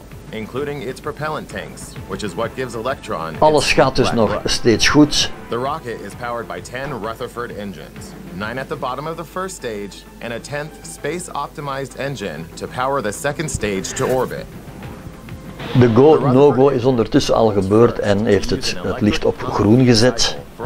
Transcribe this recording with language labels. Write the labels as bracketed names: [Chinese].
[English] Including its propellant tanks, which is what gives Electron. [Dutch] Alles gaat dus nog steeds goed. [English] The rocket is powered by 10 Rutherford engines, 9 at the bottom of the first stage and a 10th space-optimized engine to power the second stage to orbit. [Dutch] De go no go is ondertussen al gebeurd en heeft het licht op groen gezet.